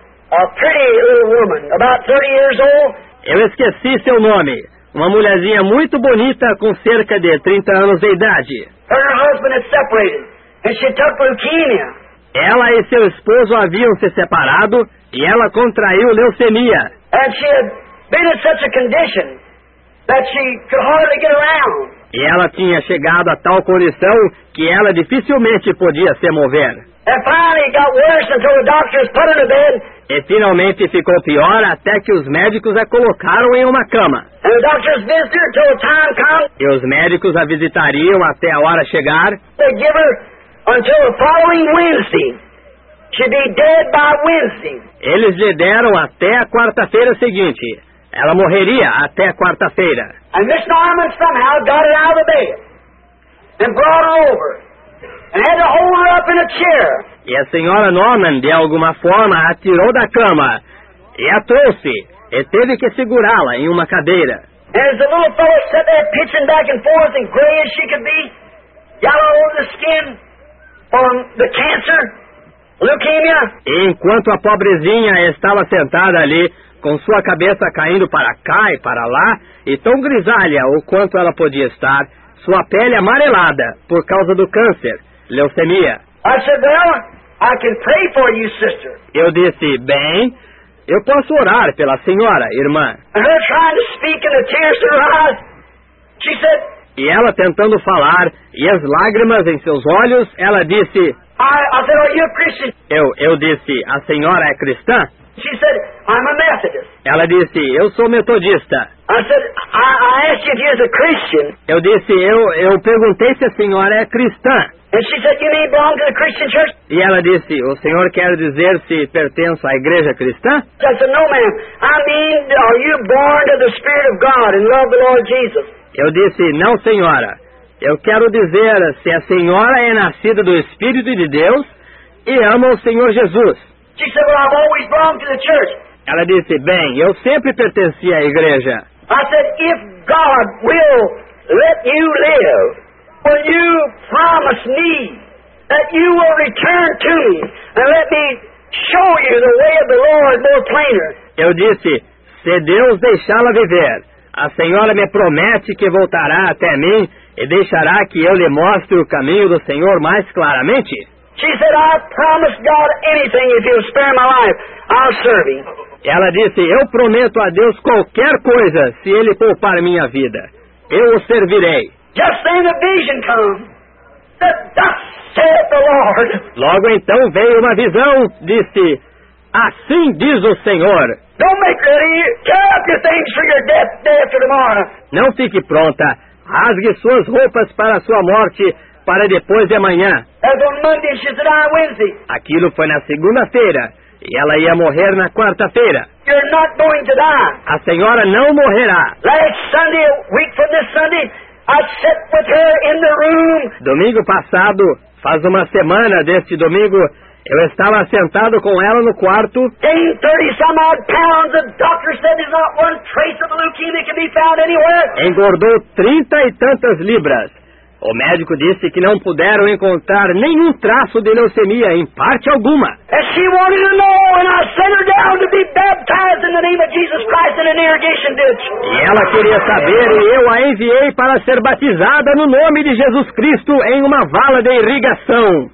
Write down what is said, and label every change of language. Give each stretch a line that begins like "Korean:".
English: A pretty little woman, about 30 years old.
Portuguese: Eu esqueci seu nome. Uma mulherzinha muito bonita com cerca de 30 anos de idade.
English: Her husband had separated, and she took leukemia.
Portuguese: Ela e seu esposo haviam se separado e ela contraiu leucemia.
English: And she had been in such a condition that she could hardly get around.
Portuguese: E ela tinha chegado a tal condição que ela dificilmente podia se mover.
English: And finally it got worse until the doctors put her to bed.
Portuguese: E finalmente ficou pior até que os médicos a colocaram em uma cama.
English: And the doctors visited her till the time come.
Portuguese: E os médicos a visitariam até a hora chegar.
English: They give her until the following Wednesday. She'd be dead by Wednesday.
Portuguese: Eles lhe deram até a quarta-feira seguinte. Ela morreria até a quarta-feira.
English: And Miss Norman somehow got her out of bed and brought her over. And had to hold her up in a chair.
Portuguese: E a senhora Norman, de alguma forma, a tirou da cama e a trouxe. E teve que segurá-la em uma cadeira.
English: And as the little fellow sat there pitching back and forth and gray as she could be, yellow on the skin from the cancer, leukemia.
Portuguese: E enquanto a pobrezinha estava sentada ali, com sua cabeça caindo para cá e para lá, e tão grisalha o quanto ela podia estar, sua pele amarelada por causa do câncer, leucemia.
English: I said, well, I can pray for you, sister.
Portuguese: Eu disse, bem, eu posso orar pela senhora, irmã.
English: And her trying to speak in the tears in her eyes, she said.
Portuguese: E ela tentando falar, e as lágrimas em seus olhos, ela disse.
English: I said, are you a Christian?
Portuguese: Eu disse, a senhora é cristã?
English: She said, I'm a Methodist.
Portuguese: Ela disse, eu sou metodista.
English: I asked you if you're a Christian.
Portuguese: Eu disse, eu perguntei se a senhora é cristã.
English: And she said, you mean belong to the Christian church?
Portuguese: E ela disse, o senhor quer dizer se pertenço à igreja cristã?
English: I said, no, ma'am. I mean, are you born of the Spirit of God and love the Lord Jesus?
Portuguese: Eu disse, não, senhora. Eu quero dizer se a senhora é nascida do Espírito de Deus e ama o Senhor Jesus.
English: She said, well, I've always belonged to the church.
Portuguese: Ela disse, bem, eu sempre pertenci à igreja.
English: I said, if God will let you live, will you promise me that you will return to me and let me show you the way of the Lord more plainer?
Portuguese: Eu disse, se Deus deixá-la viver, a senhora me promete que voltará até mim e deixará que eu lhe mostre o caminho do Senhor mais claramente?
English: She said, I promise God anything if he'll spare my life, I'll serve him.
Portuguese: Ela disse, eu prometo a Deus qualquer coisa se ele poupar minha vida. Eu o servirei.
English: Just then a vision comes. Thus saith the Lord.
Portuguese: Logo então veio uma visão, disse, assim diz o Senhor.
English: Don't make ready. Tear up your things for your death day after tomorrow.
Portuguese: Não fique pronta. Rasgue suas roupas para a sua morte para depois de amanhã.
English: As on Monday, she said, on Wednesday.
Portuguese: Aquilo foi na segunda-feira. E ela ia morrer na quarta-feira.
English: You're not going to die.
Portuguese: A senhora não morrerá.
English: Last Sunday, a week from this Sunday, I sat with her in the room.
Portuguese: Domingo passado, faz uma semana deste domingo, eu estava sentado com ela no quarto.
English: Gained 30 some odd pounds. The doctor said there's not one trace of leukemia can be found anywhere.
Portuguese: Engordou 30 e tantas libras. O médico disse que não puderam encontrar nenhum traço de leucemia em parte alguma.
English: And she wanted to know, and I sent her down to be baptized in the name of Jesus Christ in an irrigation ditch.
Portuguese: E ela queria saber, e eu a enviei para ser batizada no nome de Jesus Cristo em uma vala de irrigação.